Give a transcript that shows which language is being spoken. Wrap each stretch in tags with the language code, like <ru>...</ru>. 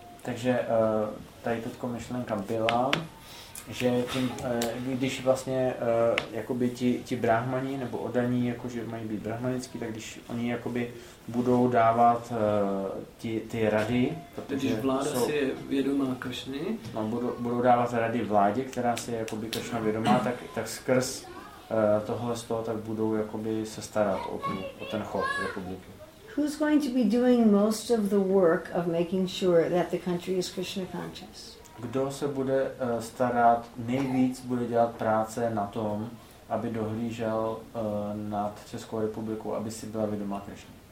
<cs>Takže tady teďko myšlenka byla, že tím, když vlastně jakoby ti brahmani nebo odaní, jakože mají být brahmanický, tak když oni jakoby budou dávat ty rady, protože když vláda si je vědomá Kršny. No, budou dávat rady vládě, která si je jakoby Kršna vědomá, tak skrz tohle z toho, tak budou jakoby se starat o ten chod republiky.</cs> <en>Who's going to be doing most of the work of making sure that the country is Krishna conscious?</en> <cs>Kdo se bude starat nejvíc, bude dělat práce na tom, aby dohlížel nad Českou republiku, aby si byla vědomá Krishna?</cs>